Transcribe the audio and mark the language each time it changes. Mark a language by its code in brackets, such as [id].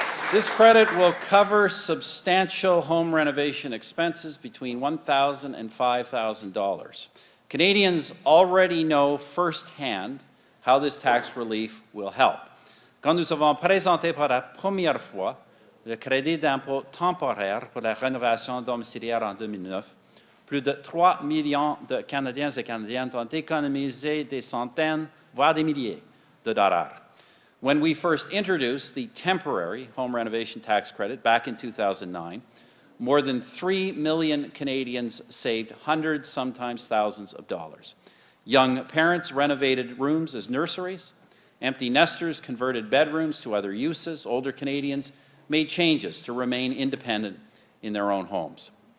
[en] This credit will cover substantial home renovation expenses between $1,000 and $5,000. Canadians already know firsthand how this tax relief will help. [fr] Quand nous avons présenté pour la première fois le crédit d'impôt temporaire pour la rénovation domiciliaire en 2009, plus de 3 millions de Canadiens et Canadiennes ont économisé des centaines, voire des milliers de dollars. [en] When we first introduced the temporary home renovation tax credit back in 2009, more than 3 million Canadians saved hundreds, sometimes thousands of dollars. Young parents renovated rooms as nurseries, empty nesters converted bedrooms to other uses, older Canadians made changes to remain independent in their own homes.